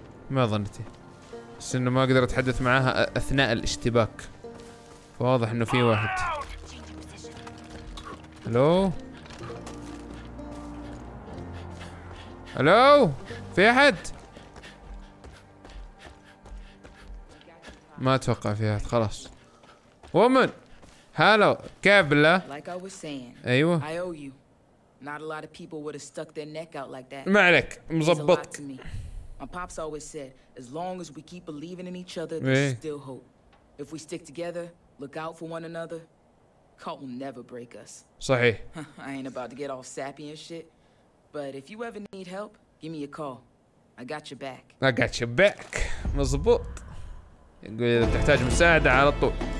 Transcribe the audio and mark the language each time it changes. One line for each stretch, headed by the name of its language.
Arabic: ما ظنتي بس انه ما اقدر اتحدث معها اثناء الاشتباك فواضح انه في واحد الو الو في احد ما اتوقع في احد خلاص وومن هالو كيف بالله ايوه
English: Not a lot of people would have stuck their neck out like that.
Arabic: ما عليك مظبطك.
English: My pops always said, as long as we keep believing in each other, there's still hope. If we stick together, look out for one another, cult will never break us.
Arabic: صحيح.
English: I ain't about to get all sappy and shit, but if you ever need help, give me a call. I got your back. I got your back.
Arabic: مظبوط. يقول إذا تحتاج مساعدة على طول.